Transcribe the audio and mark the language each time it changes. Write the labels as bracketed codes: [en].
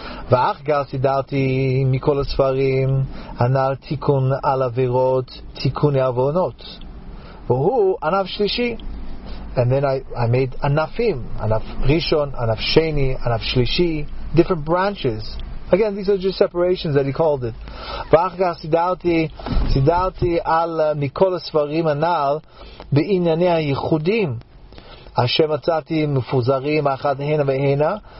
[he] ואח גר סידרתי מכל הספרים הנעל תיקון על עבירות תיקון העוונות והוא ענף שלישי. [en] And then I made ענפים, ענף ראשון, ענף שני, ענף שלישי, different branches. Again, these are just separations that he called it. [he] ואח גר סידרתי על מכל הספרים הנעל בענייני הייחודים אשר מצאתי מפוזרים אחד הנה והנה.